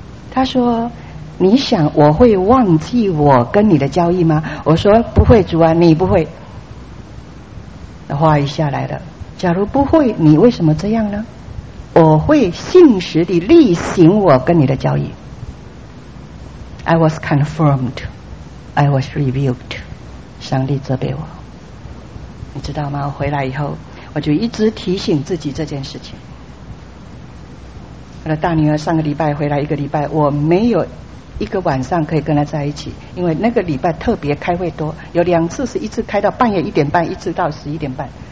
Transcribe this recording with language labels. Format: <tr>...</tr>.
<zh>他说你想我会忘记我跟你的交易吗？我说不会主啊，你不会。话一下来了，假如不会你为什么这样呢？我会信实地履行我跟你的交易。</zh> <en>I was confirmed, I was rebuked,</en> <zh>上帝责备我，你知道吗？我回来以后我就一直提醒自己这件事情。我的大女儿上个礼拜回来一个礼拜，我没有一个晚上可以跟她在一起，因为那个礼拜特别开会多，有两次是一次开到半夜1点半，一次到11点半。</zh>